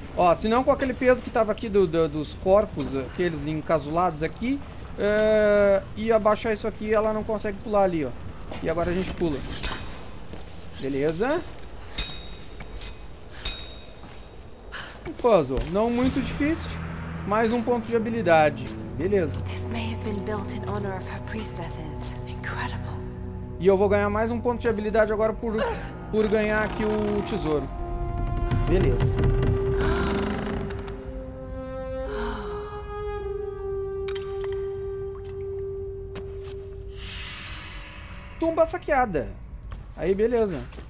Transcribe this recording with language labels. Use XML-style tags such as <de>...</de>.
<pt>Ó, senão com aquele peso que tava aqui dos corpos, aqueles encasulados aqui, ia baixar isso aqui e ela não consegue pular ali, ó. E agora a gente pula. Beleza. Puzzle, não muito difícil. Mais um ponto de habilidade. Beleza.</pt> <en>This may have been built in honor of her priestesses. Incredible.</en> <pt>E eu vou ganhar mais um ponto de habilidade agora por ganhar aqui o tesouro. Beleza. Tumba saqueada. Aí, beleza.</pt>